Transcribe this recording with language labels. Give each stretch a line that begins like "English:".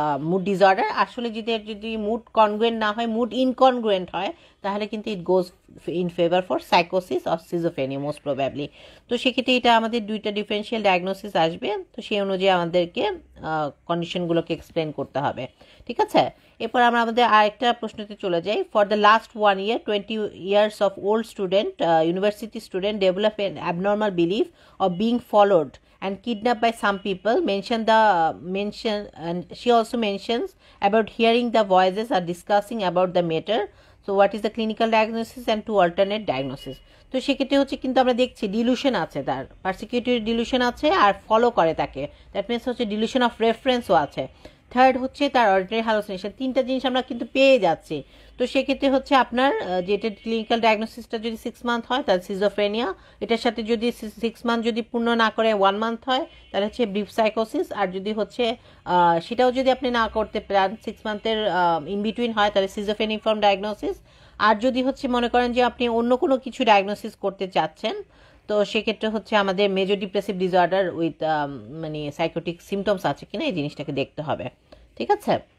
Bangla: Mood disorder, আসলে যদি যদি মুড কনগ্রুয়েন্ট না হয়, মুড ইনকনগ্রুয়েন্ট হয়, তাহলে কিন্তু
English: It goes in fever for সাইকোসিস or schizophrenia most probably.
Bangla: তো সেক্ষেত্রে এটা আমাদের দুইটা ডিফারেনশিয়াল ডায়াগনোসিস আসবে, তো সেই অনুযায়ী আমাদেরকে কন্ডিশনগুলোকে এক্সপ্লেন করতে হবে, ঠিক আছে। এরপর আমরা আমাদের আরেকটা প্রশ্নতে চলে যাই।
English: For the last one year 20 years of old student university student develop an abnormal belief of being followed and kidnapped by some people, mention the mention, and she also mentions about hearing the voices are discussing about the matter. So what is the clinical diagnosis and two alternate diagnosis?
Bangla: তো সেক্ষেত্রে হচ্ছে কিন্তু আমরা দেখছি dilution আছে, তার পার্সিকিউটরি dilution আছে আর follow করে তাকে,
English: that means
Bangla: হচ্ছে ডিলিউশন অফ রেফারেন্সও আছে। থার্ড হচ্ছে তার অর্ডিনারি হ্যালোসিনেশন, তিনটা জিনিস আমরা কিন্তু পেয়ে যাচ্ছি। তো সেক্ষেত্রে হচ্ছে আপনার যেটা ক্লিনিক্যাল ডায়াগনোসিসটা যদি 6 মান্থ হয় তাহলে সিজোফ্রেনিয়া, এটার সাথে যদি 6 মান্থ যদি পূর্ণ না করে 1 মান্থ হয় তাহলে হচ্ছে ব্রিফ সাইকোসিস, আর যদি হচ্ছে সেটাও যদি আপনি না করতে পারেন 6 মান্থের ইন বিটুইন হয় তাহলে সিজোফেনিফর্ম ডায়াগনোসিস, আর যদি হচ্ছে মনে করেন যে আপনি অন্য কোনো কিছু ডায়াগনোসিস করতে চাচ্ছেন তো সেক্ষেত্রে হচ্ছে আমাদের মেজর ডিপ্রেসিভ ডিসঅর্ডার উইথ মানে সাইকোটিক সিমটমস আছে কিনা এই জিনিসটাকে দেখতে হবে, ঠিক আছে।